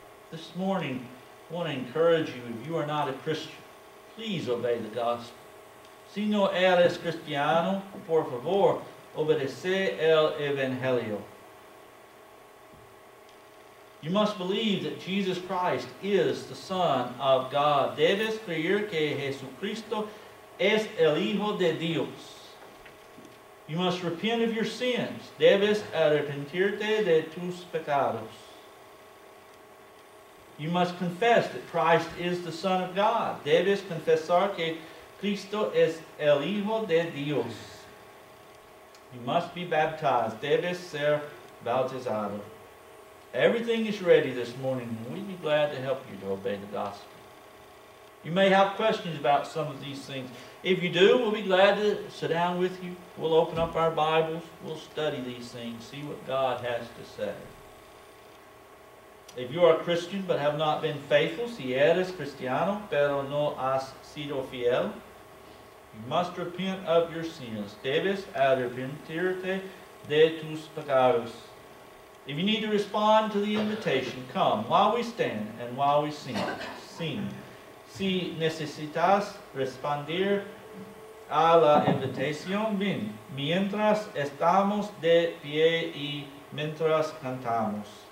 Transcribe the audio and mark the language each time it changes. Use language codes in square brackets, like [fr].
[en] This morning, I want to encourage you, if you are not a Christian, please obey the gospel. [es] Si no eres cristiano, por favor, obedece el evangelio. [en] You must believe that Jesus Christ is the Son of God. [es] Debes creer que Jesucristo es el Hijo de Dios. [en] You must repent of your sins. [es] Debes arrepentirte de tus pecados. [en] You must confess that Christ is the Son of God. [es] Debes confesar que Cristo es el Hijo de Dios. [en] You must be baptized. [es] Debes ser bautizado. [en] Everything is ready this morning, and we'd be glad to help you to obey the gospel. You may have questions about some of these things. If you do, we'll be glad to sit down with you. We'll open up our Bibles. We'll study these things, see what God has to say. If you are a Christian but have not been faithful, [es] si eres cristiano pero no has sido fiel, [en] you must repent of your sins. [es] Debes arrepentirte de tus pecados. [en] If you need to respond to the invitation, come while we stand and while we sing. Sing. [es] Si necesitas responder a la invitación, ven mientras estamos de pie y mientras cantamos.